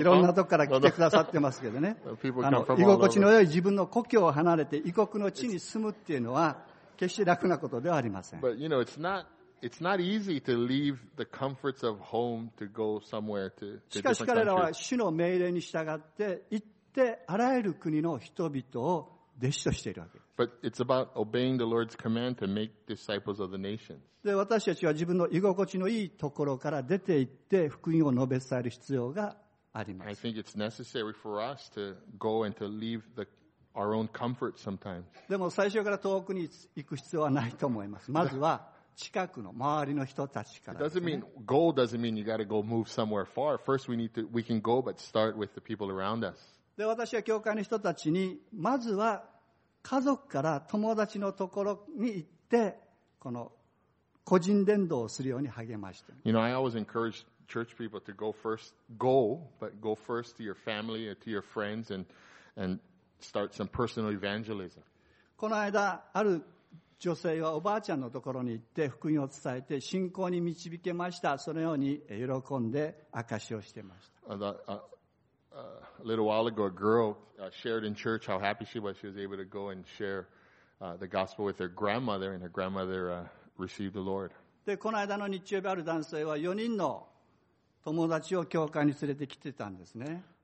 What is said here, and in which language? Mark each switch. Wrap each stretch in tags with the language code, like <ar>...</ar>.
<ja>いろんなとこから来てくださってますけどね。</ja> <en>People come from all over.</en> <ja>居心地の良い自分の故郷を離れて異国の地に住むっていうのは。決して楽なことではありません。</ja> <en>But you know, it's not easy to leave the comforts of home to go somewhere to different countries.</en> <ja>しかし彼らは主の命令に従って行ってあらゆる国の人々を弟子としているわけです。</ja> <en>But it's about obeying the Lord's command to make disciples of the nations.</en> <ja>で、私たちは自分の居心地のいいところから出て行って福音を述べ伝える必要があります。</ja> <en>I think it's necessary for us to go and to leave theOur own comfort sometimes.</en> <ja>でも最初から遠くに行く必要はないと思います。まずは近くの周りの人たちから、ね。</ja> <en>It doesn't mean go doesn't mean you got to go move somewhere far. First we need to we can go but start with the people around us.</en> <ja>で私は教会の人たちにまずは家族から友達のところに行ってこの個人伝道をするように励ました。</ja> <en>You know I always encourage church people to go first go but go first to your family or to your friends and start some personal evangelism.</en> <ja>この間ある女性はおばあちゃんのところに行って福音を伝えて信仰に導けました。そのように喜んで証しをしていました。</ja> <en>A little while ago, a girl shared in church how happy she was able to go and share the gospel with her grandmother, and her grandmother received the Lord.</en> <ja>で、この間の日曜日ある男性は4人の友達を教会に連れてきてたんですね。</ja>